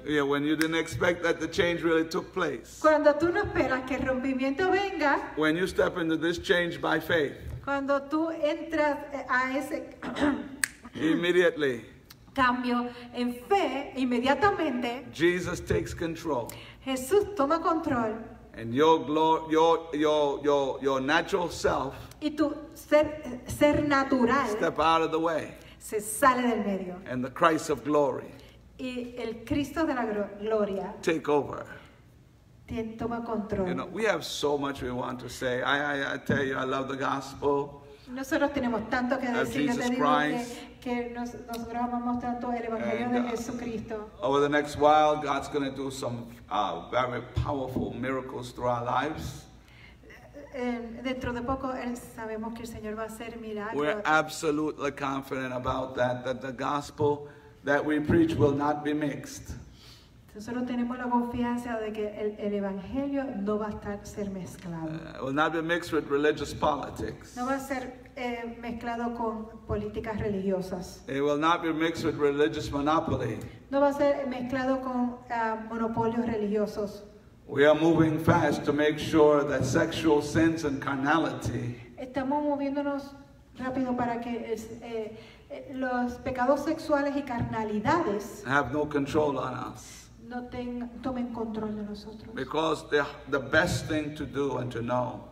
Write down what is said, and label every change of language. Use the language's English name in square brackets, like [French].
[English] Yeah, when you didn't expect that the change really took place. [Spanish] Cuando tú no esperas que el rompimiento venga. [English] When you step into this change by faith. [Spanish] Cuando tú entras a ese... [English] Immediately. [Spanish] Cambio en fe, inmediatamente. [English] Jesus takes control. [Spanish] Jesús toma control. [English] And your natural self. [Spanish] Y tu ser natural. [English] Step out of the way. [Spanish] Se sale del medio. [English] And the Christ of glory. [Spanish] Y el Cristo de la gloria. [English] Take over. [Spanish] Toma control. [English] You know, we have so much we want to say. I tell you, I love the gospel. [Spanish] Nosotros tenemos tanto que decir, [English] Jesus [Spanish] que [English] Christ. [Spanish] Nosotros amamos tanto el Evangelio de Jesucristo. [English] Over the next while, God's going to do some very powerful miracles through our lives. [Spanish] Dentro de poco, sabemos que el Señor va a hacer milagros. [English] We're absolutely confident about that the gospel that we preach will not be mixed. [Spanish] Nosotros tenemos la confianza de que el Evangelio no va a estar ser mezclado. [English] Will not be mixed with religious politics. [Spanish] No va a ser mezclado con políticas religiosas. [English] It will not be mixed with religious monopoly. [Spanish] No va a ser mezclado con monopolios religiosos. [English] We are moving fast to make sure that sexual sins and carnality. [Spanish] Estamos moviéndonos rápido para que los pecados sexuales y carnalidades. [English] Have no control on us. [Spanish] No tomen control de nosotros. [English] Because the best thing to do and to know.